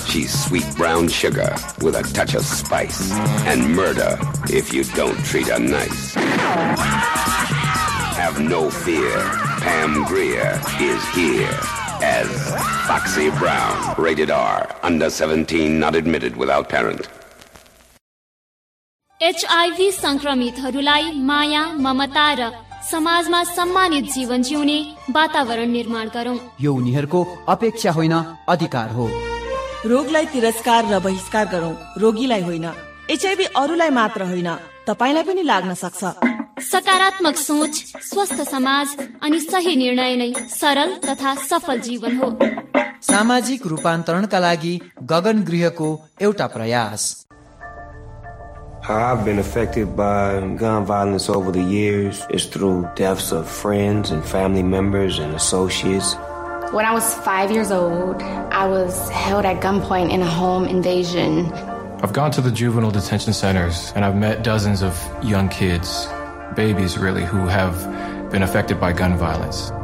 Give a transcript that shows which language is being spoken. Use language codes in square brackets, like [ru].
[en] She's sweet brown sugar with a touch of spice and murder if you don't treat her nice. Have no fear, Pam Grier is here. As Foxy Brown, rated R, under 17, not admitted without parent. [ne] HIV संक्रमितहरूलाई माया ममता र समाजमा सम्मानित जीवन जिउने वातावरण निर्माण गरौं। यो उनीहरूको अपेक्षा होइन अधिकार हो। रोगलाई तिरस्कार र बहिष्कार गरौं, रोगीलाई होइन। एचआईभी अरूलाई मात्र होइन तपाईँलाई पनि लाग्न सक्छ। सकारात्मक सोच, स्वस्थ समाज अनि सही निर्णय नै सरल तथा सफल जीवन हो। सामाजिक रूपान्तरणका लागि गगन गृहको एउटा प्रयास। [en] How I've been affected by gun violence over the years is through deaths of friends and family members and associates. When I was 5 years old, I was held at gunpoint in a home invasion. I've gone to the juvenile detention centers and I've met dozens of young kids, babies really, who have been affected by gun violence.